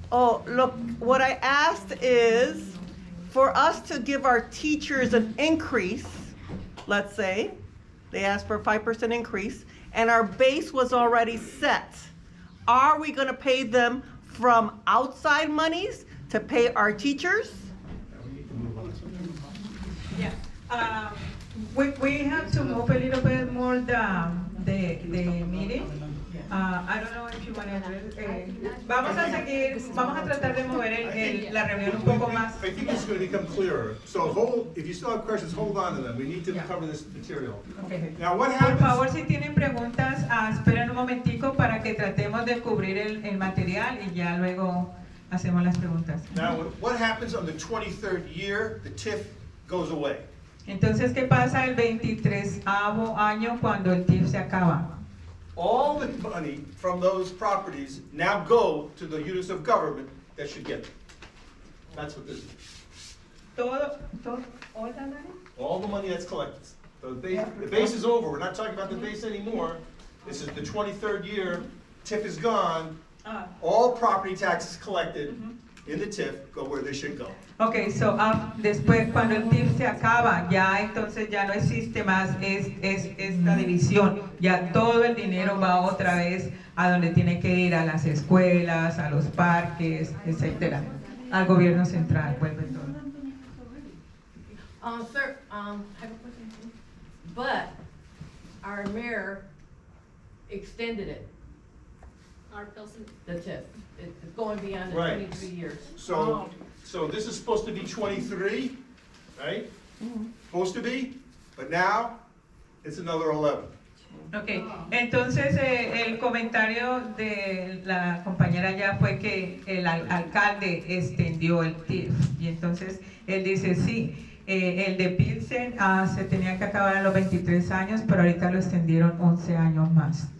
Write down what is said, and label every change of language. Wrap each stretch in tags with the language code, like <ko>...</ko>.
<en>Oh, look, what I asked is, for us to give our teachers an increase, let's say, they asked for a 5% increase, and our base was already set, are we going to pay them from outside monies to pay our teachers? Yeah. We have to move a little bit more the meeting. I don't know if you want to address.</en> <es>Vamos a tratar de mover la reunión un poco más.</es> <en>I think it's going to become clearer. So if you still have questions, hold on to them. We need to cover this material. Okay. Now what happens?</en> <es>Por favor, si tienen preguntas, esperen un momentico para que tratemos de cubrir el material y ya luego hacemos las preguntas.</es> <en>Now what happens on the 23rd year? The TIF goes away.</en> <es>Entonces, ¿qué pasa el 23avo año cuando el TIF se acaba?</es> <en>All the money from those properties now go to the units of government that should get it. That's what this is. All the money that's collected. The base is over. We're not talking about the base anymore. This is the 23rd year. TIF is gone. All property taxes collected in the TIF go where they should go.</en> <es>Okay, so después cuando el TIF se acaba, ya entonces ya no existe más esta división. Ya todo el dinero va otra vez a donde tiene que ir, a las escuelas, a los parques, etcétera. Al gobierno central vuelve todo.</es> <en>Sir, I have a question. But our mayor extended it. Our Pilsen? The TIF. It's going beyond the 23 years. So, so this is supposed to be 23, right? Supposed to be, but now it's another 11. Okay.</en> <es>Entonces, el comentario de la compañera ya fue que el alcalde extendió el TIF. Y entonces, él dice, sí, el de Pilsen se tenía que acabar a los 23 años, pero ahorita lo extendieron 11 años más.</es>